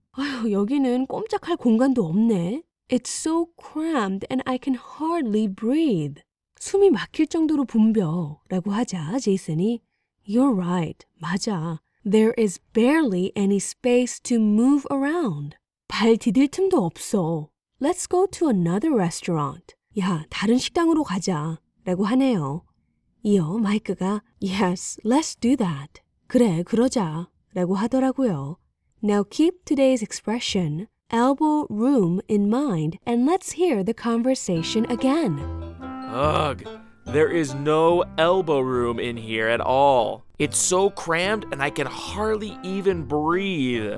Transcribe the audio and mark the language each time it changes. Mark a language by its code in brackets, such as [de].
[ko] 아유, 여기는 꼼짝할 공간도 없네. [en] It's so cramped and I can hardly breathe. [ko] 숨이 막힐 정도로 붐벼 라고 하자 제이슨이 [en] You're right. [ko] 맞아. [en] There is barely any space to move around. [ko] 발 디딜 틈도 없어. [en] Let's go to another restaurant. [ko] 야, 다른 식당으로 가자 라고 하네요. 이어 마이크가 [en] Yes, let's do that. [ko] 그래, 그러자 라고 하더라고요. [en] Now keep today's expression elbow room in mind, and let's hear the conversation again. Ugh, there is no elbow room in here at all. It's so crammed and I can hardly even breathe.